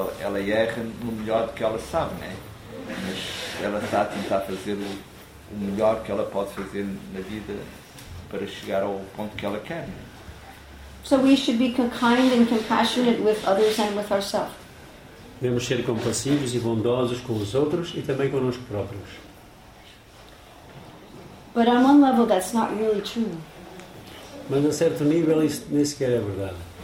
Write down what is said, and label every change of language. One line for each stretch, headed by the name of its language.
Portuguese: Ela erra no melhor do que ela sabe, né? Mas ela está a tentar fazer o melhor que ela pode fazer na vida para chegar ao ponto que ela quer.
English: So we should be kind and compassionate with others and with ourselves.
Portuguese: Devemos ser compassivos e bondosos com os outros e também connosco próprios.
English: But on one level that's not really true.
Portuguese: Mas a certo nível isso nem sequer é verdade.